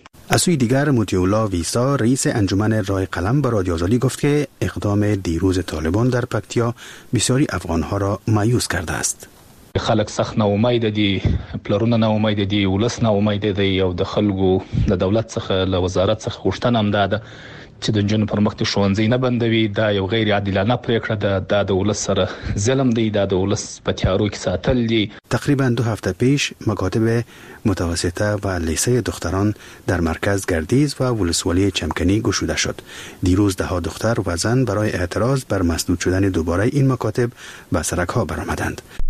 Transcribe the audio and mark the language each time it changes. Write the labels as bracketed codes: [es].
[fa] از سوی دیگر موتیولا ویسا، رئیس انجمن رای قلم، به رادیو آزادی گفت که اقدام دیروز طالبان در پکتیا بسیاری افغانها را مایوس کرده است. [ps] خلق سخت ناامیده دی، پلارونه ناامیده دی، ولس ناامیده دی، او د خلکو د دولت څخه له وزارت څخه غوښتنه هم داده چې د نجونو پر مخ د ښوونځي نه بندوي. دا یو غیر عادلانه پریکړه ده. دا د ولس سره ظلم دی. دا د ولس په تیارو کې ساتل دی. [fa] تقریبا دو هفته پیش مکاتب متوسطه و لیسه دختران در مرکز گردیز و ولسوالی چمکنی گشوده شد. دیروز ده ها دختر و زن برای اعتراض بر مسدود شدن دوباره این مکاتب به سرک ها برآمدند.